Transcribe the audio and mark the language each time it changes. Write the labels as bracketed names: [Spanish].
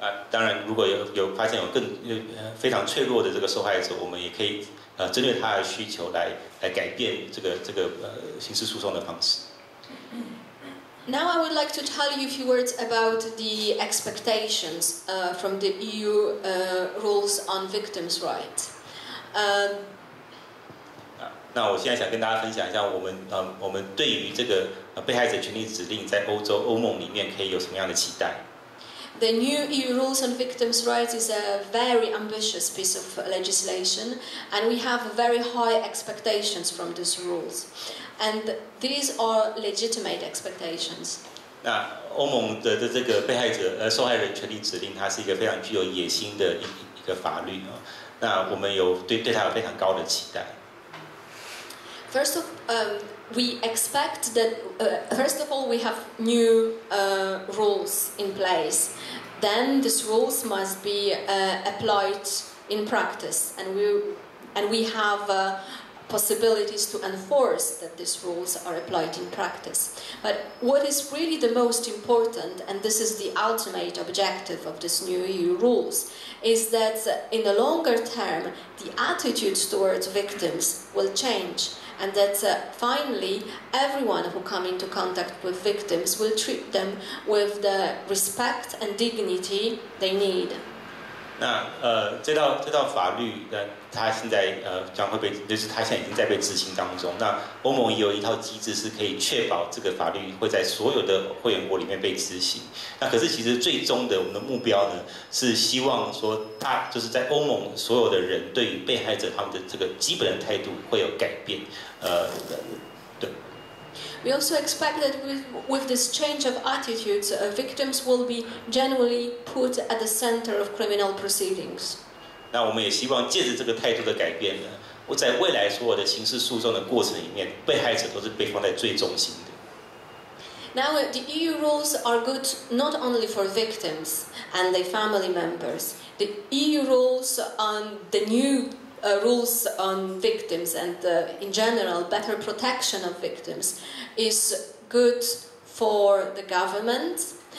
[Chinese] 当然，如果有发现有更非常脆弱的这个受害者，我们也可以针对他的需求来改变这个刑事诉讼的方式。 [English] Now I would like to tell you a few words about the expectations from the EU rules on victims' rights. [Chinese] 那我现在想跟大家分享一下我们对于这个被害者权利指令在欧洲欧盟里面可以有什么样的期待。 [English] The new EU rules on victims' rights is a very ambitious piece of legislation, and we have very high expectations from these rules. And these are legitimate expectations. [Chinese] 那欧盟的这个被害者受害人权利指令，它是一个非常具有野心的一个法律啊。那我们有对它有非常高的期待。 [English] First of we expect that first of all we have new rules in place. Then these rules must be applied in practice, and we have possibilities to enforce that these rules are applied in practice. But what is really the most important, and this is the ultimate objective of this new EU rules, is that in the longer term the attitudes towards victims will change. And that finally, everyone who comes into contact with victims will treat them with the respect and dignity they need. [Chinese] 那这道法律，它现在将会被，就是它现在已经在被执行当中。那欧盟也有一套机制是可以确保这个法律会在所有的会员国里面被执行。那可是其实最终的我们的目标呢，是希望说它就是在欧盟所有的人对于被害者他们的这个基本的态度会有改变。 [English] We also expect that with this change of attitudes, victims will be genuinely put at the center of criminal proceedings. [Chinese] 那我们也希望借着这个态度的改变呢，在未来所有的刑事诉讼的过程里面，被害者都是被放在最中心的。 [English] Now, the EU rules are good not only for victims and their family members. The EU rules on the newrules on victims and in general better protection of victims is good for the government.